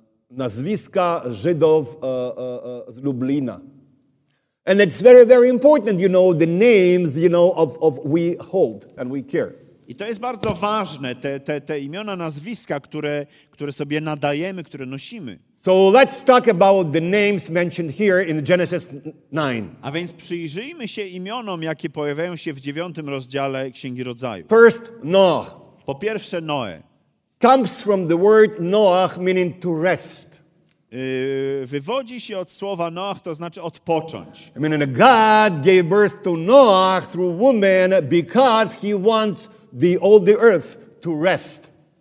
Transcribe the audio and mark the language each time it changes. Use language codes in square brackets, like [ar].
[pl] Nazwiska Żydów z Lublina. [en] And it's very, very important, you know, the names, you know, of we hold and we care. [pl] I to jest bardzo ważne, te imiona, nazwiska, które sobie nadajemy, które nosimy. [en] So let's talk about the names mentioned here in Genesis 9. [pl] A więc przyjrzyjmy się imionom, jakie pojawiają się w 9 rozdziale Księgi Rodzaju. [en] First, Noah. [pl] Po pierwsze, Noe. [en] Comes from the word Noah, meaning to rest. [pl] Wywodzi się od słowa Noach, to znaczy odpocząć. [en] I mean, God gave birth to Noah through woman because he wants all the earth to rest.